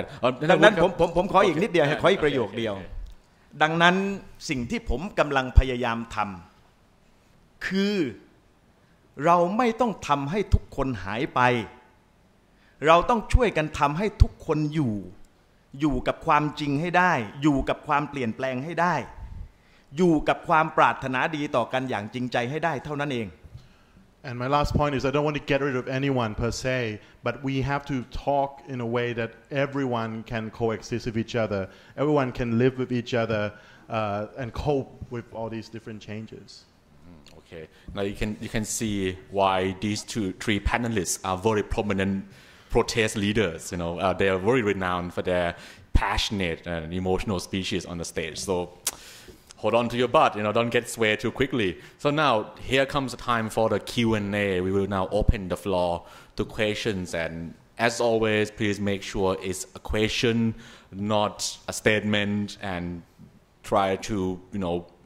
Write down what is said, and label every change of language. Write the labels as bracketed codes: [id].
[th] ดังนั้นผมขออีกนิดเดียวขออีกประโยคเดียวดังนั้นสิ่งที่ผมกำลังพยายามทำคือเราไม่ต้องทำให้ทุกคนหายไปเราต้องช่วยกันทำให้ทุกคนอยู่กับความจริงให้ได้อยู่กับความเปลี่ยนแปลงให้ได้อยู่กับความปรารถนาดีต่อกันอย่างจริงใจให้ได้เท่านั้นเอง [en] And my last point is I don't want to get rid of anyone per se but we have to talk in a way that everyone can coexist with each other everyone can live with each other and cope with all these different changes Okay now you can see why these three panelists are very prominentprotest leaders you know they are very renowned for their passionate and emotional speeches on the stage so hold on to your butt you know don't get swayed too quickly so now here comes the time for the Q&A we will now open the floor to questions and as always please make sure it's a question not a statement and try to you know